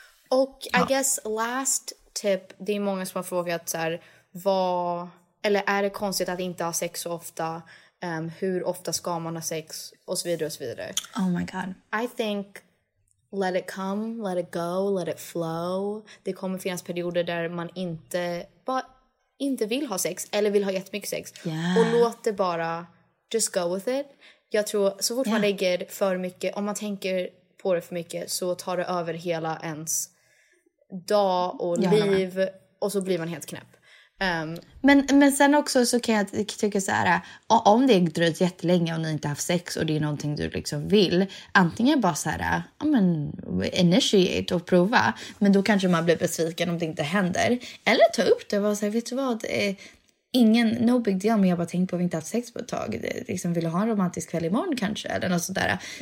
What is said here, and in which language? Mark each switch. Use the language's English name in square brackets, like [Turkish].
[Swedish] Och [English] I guess last tip, [Swedish] det är många som har frågat så här, eller är det konstigt att inte ha sex så ofta? Hur ofta ska man ha sex? Och så vidare och så vidare. [English] Oh my god. I think let it come, let it go, let it flow. [Swedish] Det kommer finnas perioder där man inte vill ha sex eller vill ha jättemycket sex. [English] Yeah. [Swedish] Och låt det bara, [English] just go with it. [Swedish] Jag tror så fort man lägger för mycket, om man tänker på det för mycket, så tar det över hela ens dag och liv och så blir man helt knäpp. Men sen också så kan jag tycka så här, om det har dröjt jättelänge och ni inte haft sex och det är någonting du liksom vill, antingen bara så här, initiate och prova, men då kanske man blir besviken om det inte händer, eller ta upp det och bara så här, vet du vad, ingen, [English] no big deal, [Swedish] men jag bara tänkt på att vi inte haft sex på ett tag, liksom vill ha en romantisk kväll imorgon kanske, eller något sådär.